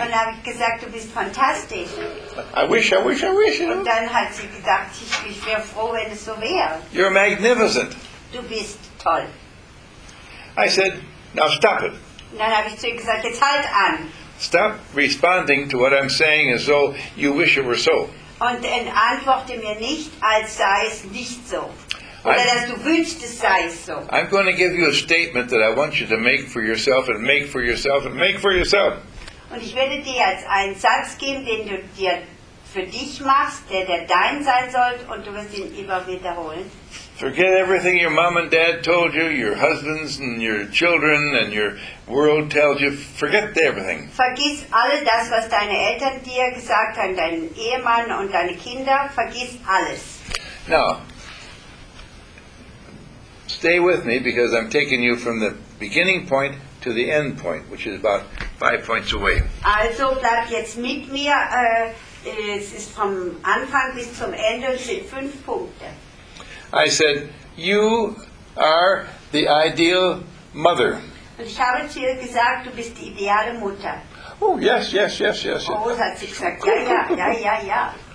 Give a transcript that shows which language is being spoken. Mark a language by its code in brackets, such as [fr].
[de] Und dann habe ich gesagt, du bist fantastisch. [en] I wish. You know? [de] Und dann hat sie gesagt, ich wäre froh, wenn es so wäre. [en] You're magnificent. [de] Du bist toll. [en] I said, "Now stop it." [de] Und dann habe ich zu ihr gesagt, jetzt halt an. [en] Stop responding to what I'm saying as though you wish it were so. [de] Und antworte mir nicht, als sei es nicht so. Oder dass du wünschst, es sei so. [en] I'm going to give you a statement that I want you to make for yourself and make for yourself and make for yourself. [de] Und ich werde dir jetzt einen Satz geben, den du dir für dich machst, der dein sein soll, und du wirst ihn immer wiederholen. [en] Forget everything your mom and dad told you, your husbands and your children and your world tells you. Forget everything. [de] Vergiss all das, was deine Eltern dir gesagt haben, deinen Ehemann und deine Kinder. Vergiss alles. [en] Now, stay with me, because I'm taking you from the beginning point to the end point, which is about 5 points away. [de] Also bleib jetzt mit mir. Es ist vom Anfang bis zum Ende sind 5 Punkte. [en] I said, you are the ideal mother. [de] Und ich habe zu ihr gesagt, du bist die ideale Mutter. [en] Oh, yes. [de] Oh, hat sie gesagt, ja.